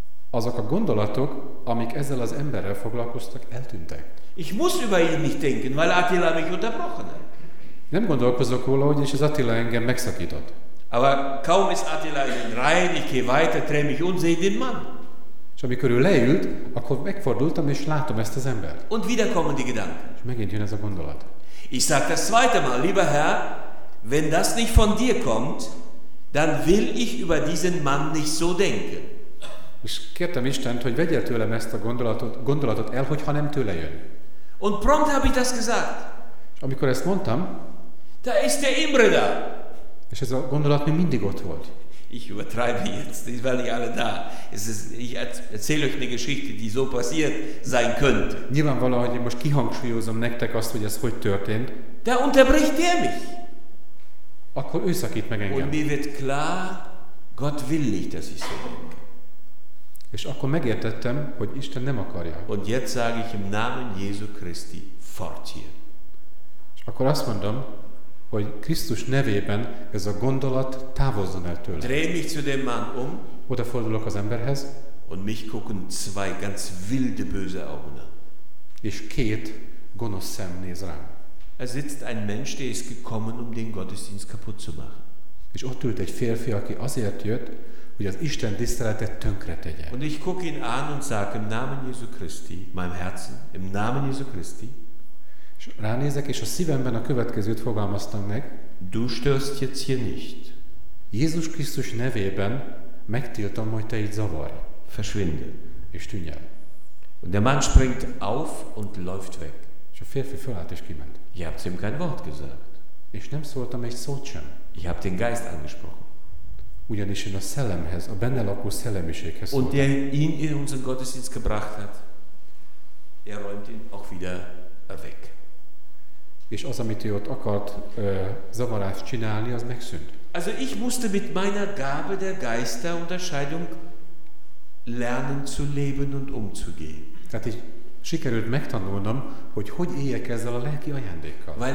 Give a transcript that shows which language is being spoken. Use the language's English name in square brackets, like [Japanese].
[Hungarian] Azok a gondolatok, amik ezzel az emberrel foglalkoztak, eltűntek. [German] Ich muss über ihn nicht denken, weil Attila mich unterbrochen hat. [Hungarian] Nem gondolkozok róla, hogy és az Attila engem megszakított. [German] Aber kaum ist Attila in den Reihen, ich gehe weiter, dreh mich und sehe den Mann. [Hungarian] És amikor ő leült, akkor megfordultam és látom ezt az embert. [German] Und wieder kommen die Gedanken. [Hungarian] És megint jön ez a gondolat. [German] Ich sag das zweite Mal, lieber Herr, wenn das nicht von dir kommt, dann will ich über diesen Mann nicht so denken. [Hungarian] És kértem Istent, hogy vegye tőlem ezt a gondolatot el, hogyha nem tőle jön. [German] Und prompt habe ich das gesagt. [Hungarian] És amikor ezt mondtam, [German] da ist der Imre da. [Hungarian] És ez a gondolat még mindig ott volt. [German] Ich übertreibe jetzt, die waren nicht alle da. Ich erzähle euch eine Geschichte, die so passiert sein könnte. [Hungarian] Nyilvánvalóan most kihangsúlyozom nektek azt, hogy ez hogy történt. [German] Da unterbricht er mich. [Hungarian] Akkor ő szakít meg engem. [German] Und mir wird klar, Gott will nicht, dass ich so denke. [Hungarian] És akkor megértettem, hogy Isten nem akarja. [German] Und jetzt sage ich im Namen Jesu Christi, fort hier. [Hungarian] És akkor azt mondom, hogy Krisztus nevében ez a gondolat távozzon el tőle. [German] Dreh mich zu dem Mann um. [Hungarian] Odafordulok az emberhez. [German] Und mich gucken zwei ganz wilde böse Augen an. [Hungarian] És két gonosz szem néz rám. [German] Es sitzt ein Mensch, der ist gekommen, um den Gottesdienst kaputt zu machen. [Hungarian] És ott ült egy férfi, aki azért jött, hogy az Isten tiszteletet tönkre tegye. [German] Und ich gucke ihn an und sage im Namen Jesu Christi, meinem Herzen, im Namen Jesu Christi. [Hungarian] És ránézek, és a szívemben a következőt fogalmaztam meg. [German] Du störst jetzt hier nicht. [Hungarian] Jézus Krisztus nevében megtiltom, hogy te itt zavarj. [German] Verschwinde. [Hungarian] És tűnj el. [German] Und der Mann springt auf und läuft weg. [Hungarian] És a férfi fölállt és kiment. [German] Ich habe ihm kein Wort gesagt. [Hungarian] És nem szóltam egy szót sem. [German] Ich habe den Geist angesprochen. [Hungarian] Ugyanis én a szellemhez, a benne lakó szellemiséghez szóltam. [German] Und der ihn in unseren Gottesdienst gebracht hat, er räumt ihn auch wieder weg. [Hungarian] És az, amit ő ott akart zavarást csinálni, az megszűnt. [German] Also ich musste mit meiner Gabe der Geisterunterscheidung lernen zu leben und umzugehen. [Hungarian] Tehát így sikerült megtanulnom, hogy hogy éljek ezzel a lelki ajándékkal.